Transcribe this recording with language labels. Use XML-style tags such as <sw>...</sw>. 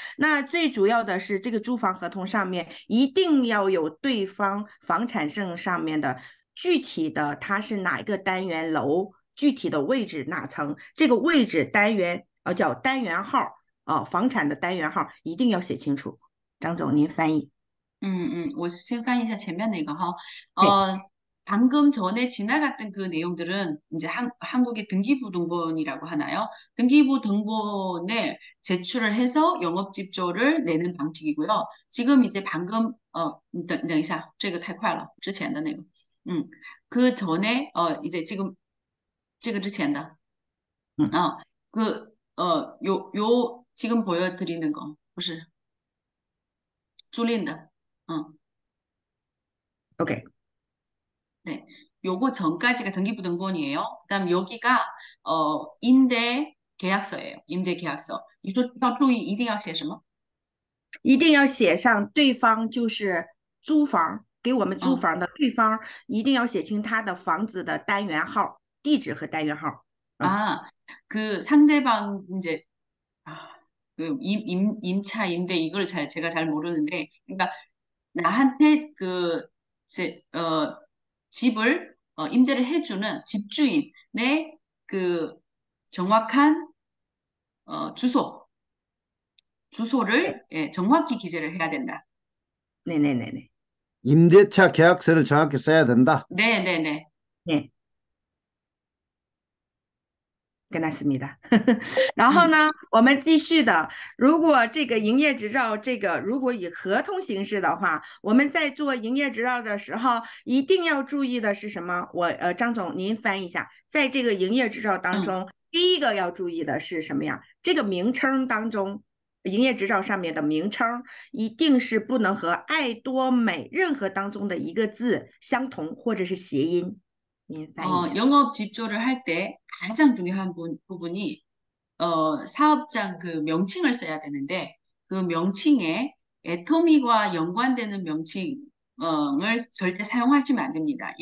<zh>那最主要的是，这个租房合同上面一定要有对方房产证上面的具体的，它是哪一个单元楼，具体的位置哪层，这个位置单元叫单元号房产的单元号一定要写清楚。张总，您翻译。我先翻译一下前面那个哈，对。</zh> <ko>방금 전에 지나갔던 그 내용들은 이제 한국의 등기부등본이라고 하나요? 등기부등본에 제출을 해서 영업집주를 내는 방식이고요. 지금 이제 방금</ko> <zh>等一下, 这个 太快了, 之前的 那个,</zh> <ko>그 전에 이제 지금</ko> <zh>这个 之前的,</zh> <ko>지금 보여드리는 거,</ko> <zh>不是, 租赁的.</zh> <ko>오케이. 네, 요거 전까지가 등기부등본이에요. 그다음 여기가 임대 계약서예요. 임대 계약서. 이쪽 이 이딩 아시</ko> <zh>什么? 一定要写上对方就是租房，给我们租房的对方，一定要写清他的房子的单元号、地址和单元号。</zh> <ko>그 상대방 이제 임차 임대 이걸 잘 제가 잘 모르는데, 그러니까 나한테 그제어 집을 임대를 해주는 집주인의 그 정확한 주소를 예, 정확히 기재를 해야 된다. 네네네네. 임대차 계약서를 정확히 써야 된다. 네. 네. 끝났습니다.</ko> <zh>然后呢，我们继续的。如果这个营业执照，这个如果以合同形式的话，我们在做营业执照的时候，一定要注意的是什么？张总，您翻译一下，在这个营业执照当中，第一个要注意的是什么呀？这个名称当中。营业执照上面的名称一定是不能和爱多美任何当中的一个字相同，或者是谐音。您翻译一下。</zh> <ko>영업 집주를 할때 가장 중요한 부분이 사업장 그 명칭을 써야 되는데, 그 명칭에 애터미와 연관되는 명칭을 절대 사용하시면 안 됩니다.</ko>